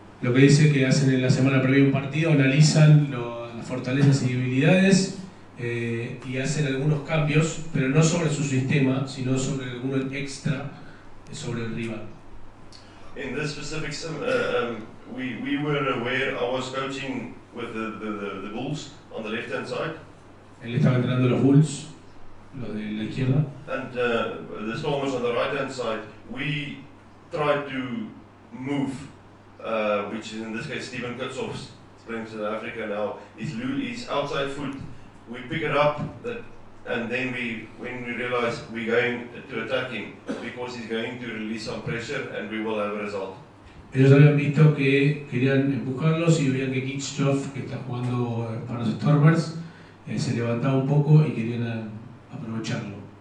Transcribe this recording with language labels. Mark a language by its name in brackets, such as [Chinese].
[Spanish] Lo que dice que hacen en la semana previa un partido, analizan las fortalezas y debilidades y hacen algunos cambios, pero no sobre su sistema, sino sobre alguno extra sobre el rival. [English] In this specific we were aware, I was coaching with the Bulls on the left hand side. [Spanish] Él estaba entrenando los Bulls, los de la izquierda. [English] And the Stormers on the right hand side, we tried to move, which is in this case Stephen Kutzoff's Springs in Africa now, his outside foot, we pick it up, and then when we realize we're going to attack him, because he's going to release some pressure and we will have a result. [Spanish] Ellos habían visto que querían empujarlos y veían que Kitschoff, que está jugando para los Stormers, se levantaba un poco y querían aprovecharlo.